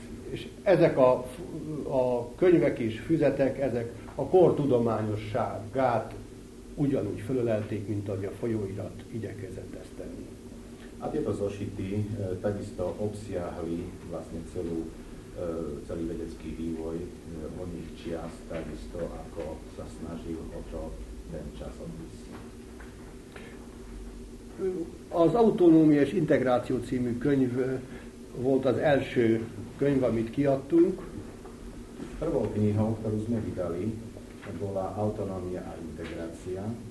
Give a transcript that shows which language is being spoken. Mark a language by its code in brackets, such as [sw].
[hu] És ezek a könyvek és füzetek, ezek a kor tudományosságát ugyanúgy fölölelték, mint ahogy a folyóirat igyekezett ezt tenni. Hát ez a [sk] zosity, tagisto obsiahli vlastne celý vedecký vývoj oných čias, tagisto ako sa snažil o to ten časopis. [hu] Az Autonómia és Integráció című könyv volt az első könyv, amit kiadtunk. [sk] Prvou knihou, ktorú sme vydali, bola Autonómia a Integrácia.